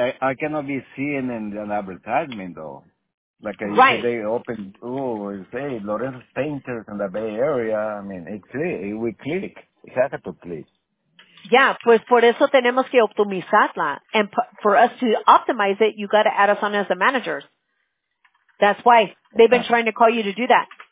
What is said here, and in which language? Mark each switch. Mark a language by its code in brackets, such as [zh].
[en] I cannot be seen in an advertisement, though. Like they open, say Lorenzo Painters in the Bay Area. I mean, we click. It has to click. [es] Yeah, pues por eso tenemos que optimizarla. [en] And for us to optimize it, you got to add us on as the managers. That's why they've been trying to call you to do that.